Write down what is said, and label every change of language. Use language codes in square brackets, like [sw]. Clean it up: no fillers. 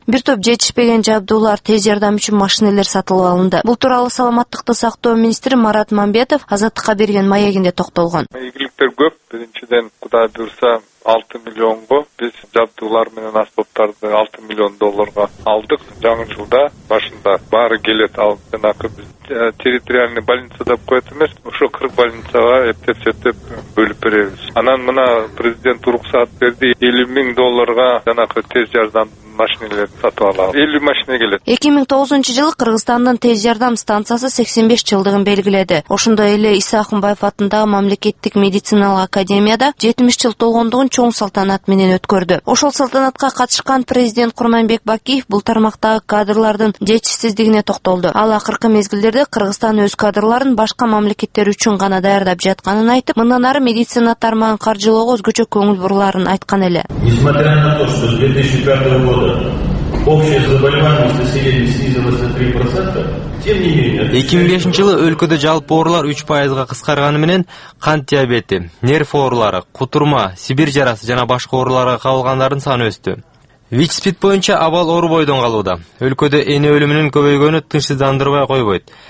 [ky] Бир топ жетишпеген жабдуулар, тез жардам үчүн машинелер сатылып алынды. Бул тууралуу саламаттыкты сактоо министри Марат Мамбетов Азаттыкка берген маегинде токтолгон. Ийгиликтер көп. Биринчиден, Кудай буйруса, 6 миллионго биз жабдуулар менен аспаптарды 6 миллион долларга алдык. Жаңы жылда башында баары келет ал жанакы биз. Территориальный больница деп коет эмес, ошо 40 больницага эптеп-септеп бөлүп беребиз. Анан мына президент уруксат берди 50 000 долларга жанакы тез жардам машинелерди сатып алабыз. 50 машине келет. 2009-жылы Кыргызстандын тез жардам станциясы 85 жылдыгын белгиледи. Ошондой эле Иса Акынбаев атындагы мамлекеттик медициналык академияда 70 жыл толгондугун чоң салтанат менен өткөрдү. Ошол салтанатка катышкан президент Курманбек Бакиев бул тармактагы кадрлардын жетишсиздигине токтолду. Ал акыркы мезгилдерде Кыргызстан өз кадрларын башка мамлекеттер үчүн гана даярдап жатканын айтып, мындан ары медицина тармагын каржылоого өзгөчө көңүл буруларын айткан эле. [ru] Несмотря на то, что с 2005 года Общая заболеваемость населения снизилась на 3%. [ky] 2005 жылы өлкөдө жалпы оорулар 3% кыскарганы менен кант диабети, нерв оорулары, кутурма, сибир жарасы жана башка ооруларга кабылгандардын саны өстү. Вичспид боюнча абал оор бойдон калууда. Өлкөдө эне өлүмүнүн көбөйгөнү тынчсыздандырбай койбойт.